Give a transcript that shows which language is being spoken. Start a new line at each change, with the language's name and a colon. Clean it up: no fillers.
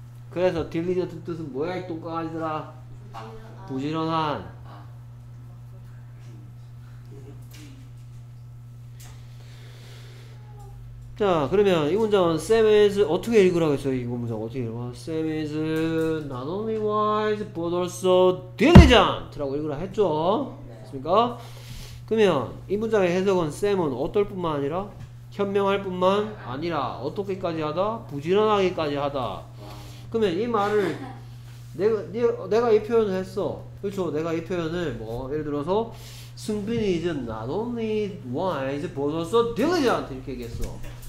Korean: 그래서 diligent 뜻은 뭐야 이 똥강아지들아. 부지런한. 자, 그러면 이 문장은 Sam is 어떻게 읽으라고 했어요? 이 문장 어떻게 읽어?
English: Sam is not only wise but also diligent
Korean: 라고 읽으라 했죠? 맞습니까? 그러면 이 문장의 해석은 Sam은 어떨 뿐만 아니라 현명할 뿐만 아니라 어떻게까지 하다? 부지런하게까지 하다. 그러면 이 말을 내가 이 표현을 했어. 그렇죠? 내가 이 표현을 뭐 예를 들어서 승빈이 이제
English: not only wise but also diligent
Korean: 이렇게 얘기했어.